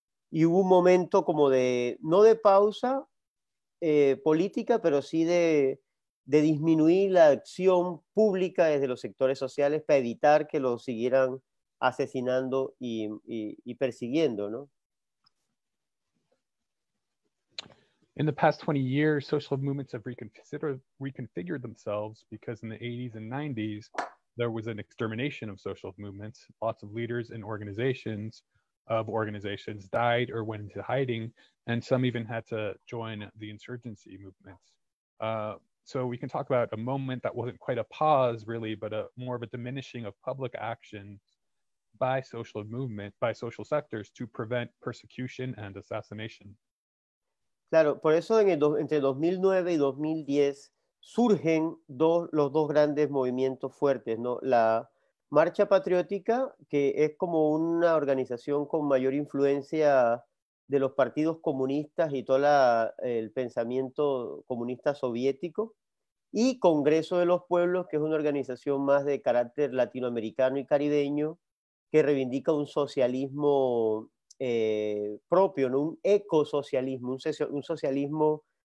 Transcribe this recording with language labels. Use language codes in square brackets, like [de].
[es] Y hubo un momento como de, no de pausa política, pero sí de disminuir la acción pública desde los sectores sociales para evitar que los siguieran asesinando y persiguiendo, ¿no? [en] In the past 20 years, social movements have reconfigured themselves because in the 80s and 90s, there was an extermination of social movements. Lots of leaders and organizations died or went into hiding, and some even had to join the insurgency movements. So we can talk about a moment that wasn't quite a pause, really, but a more of a diminishing of public action by social movement, by social sectors to prevent persecution and assassination. [es] Claro, por eso entre 2009 y 2010 surgen los dos grandes movimientos fuertes, ¿no? La Marcha Patriótica, que es como una organización con mayor influencia de los partidos comunistas y todo el pensamiento comunista soviético, y Congreso de los Pueblos, que es una organización más de carácter latinoamericano y caribeño, que reivindica un socialismo propio, ¿no? Un ecosocialismo, un socialismo